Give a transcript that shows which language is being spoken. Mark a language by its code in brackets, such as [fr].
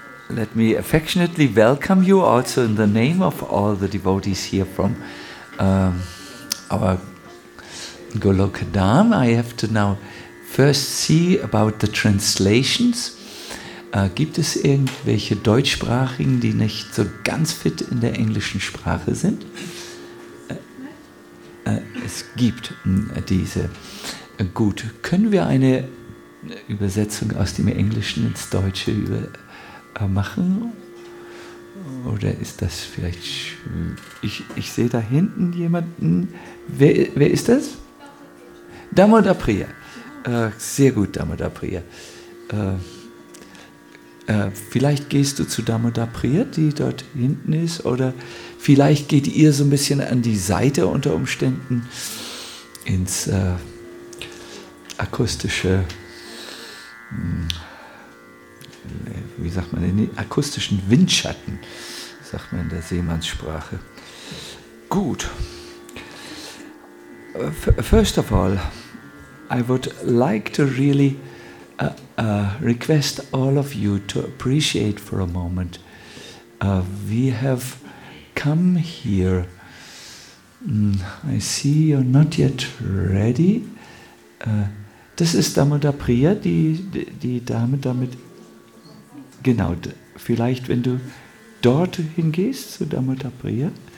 [en] Let me affectionately welcome you also in the name of all the devotees here from our Goloka Dham. I have to now first see about the translations. [de] Gibt es irgendwelche Deutschsprachigen, die nicht so ganz fit in der englischen Sprache sind? Es gibt diese. Gut, können wir eine Übersetzung aus dem Englischen ins Deutsche machen? Oder ist das vielleicht... Ich sehe da hinten jemanden. Wer ist das? Damod Apriya. Sehr gut, Damod Apriya. Vielleicht gehst du zu Damod Apriya, die dort hinten ist, oder vielleicht geht ihr so ein bisschen an die Seite unter Umständen ins akustische... wie sagt man, in den akustischen Windschatten, sagt man in der Seemannssprache. Gut. [en] First of all, I would like to really request all of you to appreciate for a moment. We have come here. I see you're not yet ready. [de] Das ist Damod Apriya, die Dame damit. Genau, vielleicht wenn du dort hingehst zu Damod Apriya.